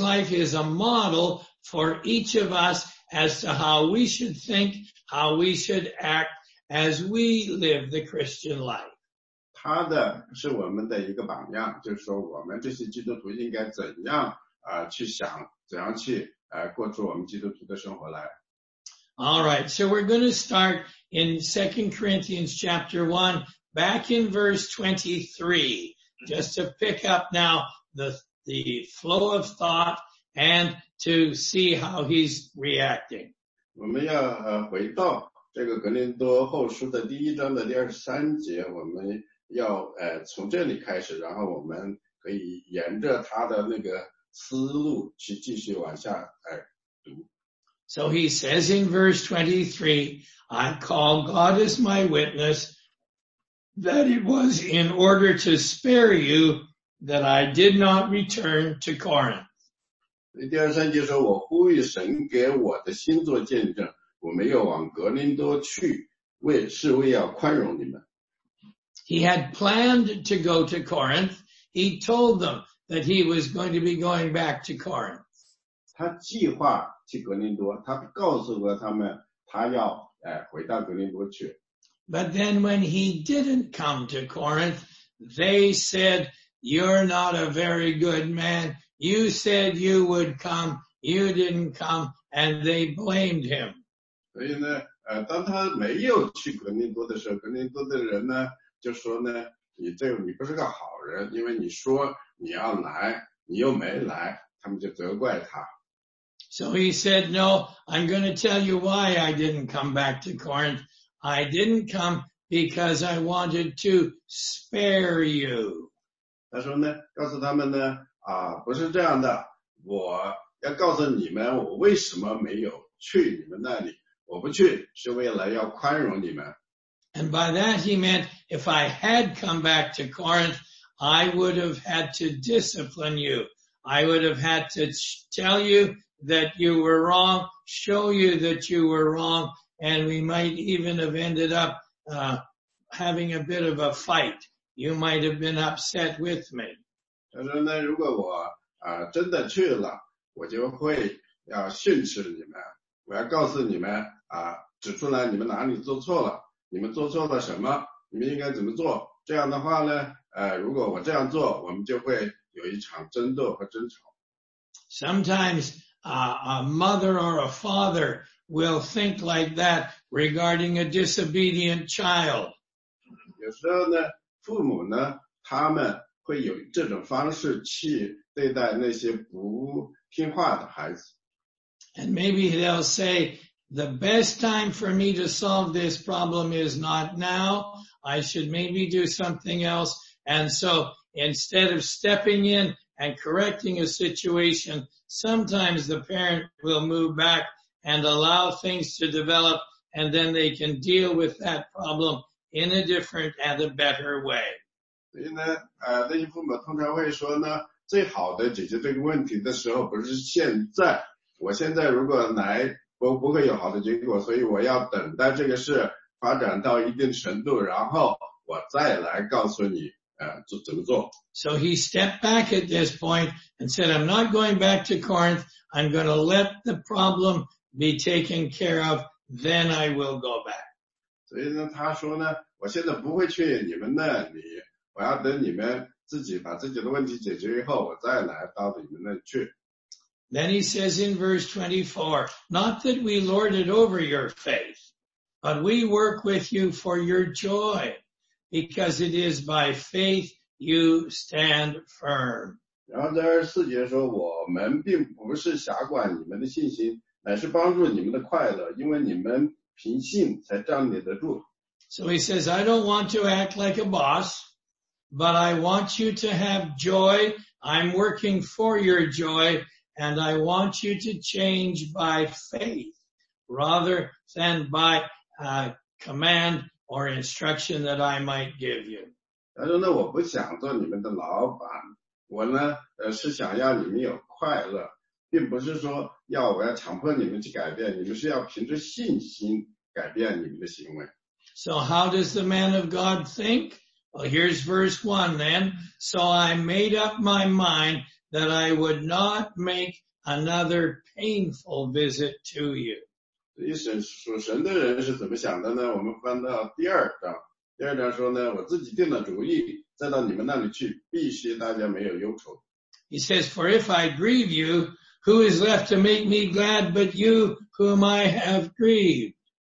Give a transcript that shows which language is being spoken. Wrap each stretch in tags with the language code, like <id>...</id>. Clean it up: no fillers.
<en>life is a model for each of us as to how we should think, how we should act as we live the Christian life.</en> <zh>他的是我们的一个榜样，就是说我们这些基督徒应该怎样去想，怎样去过出我们基督徒的生活来。</zh> <en>All right, so we're going to start in 2 Corinthians chapter 1, back in verse 23, just to pick up now the flow of thought and to see how he's reacting.</en> <zh>我们要回到这个格林多后书的第一章的第二十三节，我们要从这里开始，然后我们可以沿着他的那个思路去继续往下来读。</zh> <en>So he says in verse 23, I call God as my witness that it was in order to spare you that I did not return to Corinth.</en> <zh>第二三节说，我呼吁神给我的心做见证，我没有往格林多去，是为要宽容你们。</zh> <en>He had planned to go to Corinth. He told them that he was going to be going back to Corinth.</en> <zh>他计划去格林多，他告诉过他们他要回到格林多去。</zh> <en>But then when he didn't come to Corinth, they said, you're not a very good man. You said you would come. You didn't come. And they blamed him.</en> <zh>所以呢当他没有去格林多的时候，格林多的人呢就说呢，你不是个好人，因为你说你要来你又没来，他们就责怪他。</zh> <en>So he said, no, I'm going to tell you why I didn't come back to Corinth. I didn't come because I wanted to spare you.</en> <zh>他说呢，告诉他们呢，不是这样的，我要告诉你们我为什么没有去你们那里，我不去是为了要宽容你们。</zh> <en>And by that he meant, if I had come back to Corinth, I would have had to discipline you. I would have had to tell you that you were wrong, show you that you were wrong, and we might even have ended up having a bit of a fight. You might have been upset with me.</en> <zh>他说呢，如果我真的去了，我就会要训斥你们，我要告诉你们指出来你们哪里做错了，你们做错了什么，你们应该怎么做，这样的话呢如果我这样做，我们就会有一场争斗和争吵。</zh> <en>Sometimes, a mother or a father will think like that regarding a disobedient child.</en> <zh>有时候呢父母呢他们会有这种方式去对待那些不听话的孩子。</zh> <en>And maybe they'll say, the best time for me to solve this problem is not now. I should maybe do something else. And so instead of stepping in and correcting a situation, sometimes the parent will move back and allow things to develop, and then they can deal with that problem in a different and a better way.</en> <zh>所以呢那些父母通常会说呢，最好的解决这个问题的时候不是现在，我现在如果来不会有好的结果，所以我要等待这个事发展到一定程度，然后我再来告诉你怎么做。</zh> <en>So he stepped back at this point and said, I'm not going back to Corinth. I'm going to let the problem be taken care of. Then I will go back.</en> <zh>所以呢他说呢，我现在不会去你们那里，我要等你们自己把自己的问题解决以后，我再来到你们那里去。</zh> <en>Then he says in verse 24, not that we lord it over your faith, but we work with you for your joy, because it is by faith you stand firm.</en> <zh>然后在24节说，我们并不是辖管你们的信心，乃是帮助你们的快乐，因为你们凭信才站立得住。</zh> <en>So he says, I don't want to act like a boss, but I want you to have joy. I'm working for your joy. And I want you to change by faith rather than by command or instruction that I might give you.</en> <zh>他说呢，我不想做你们的老板，我呢是想要你们有快乐，并不是说要我要强迫你们去改变，你们是要凭着信心改变你们的行为。</zh> <en>So how does the man of God think? Well, here's verse 1 then. So I made up my mind. That I would not make another painful visit to you.</en> <zh>所以属神的人是怎么想的呢？我们翻到第二章，第二章说呢，我自己定了主意，再到你们那里去，必须大家没有忧愁。</zh> <en>He says, "For if I grieve you, who is left to make me glad but you, whom I have grieved?"</en>